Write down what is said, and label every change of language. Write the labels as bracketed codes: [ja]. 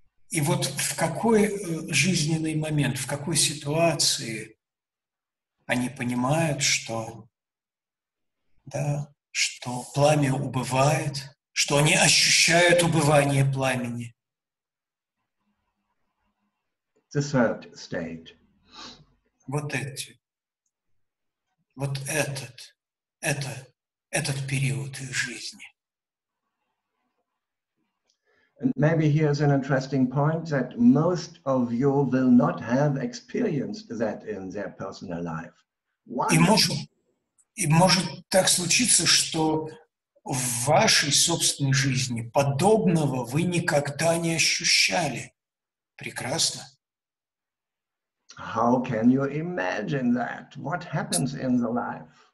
[ru] И вот в какой жизненный момент, в какой ситуации они понимают, что, да, что пламя убывает, что они ощущают убывание пламени? [en] The third state. [ru] Вот эти, вот этот, это, этот период их жизни. [en] And maybe here's an interesting point that most of you will not have experienced that in their personal life. [ru] И может так случиться, что в вашей собственной жизни подобного вы никогда не ощущали. Прекрасно. [en] How can you imagine that? What happens in the life?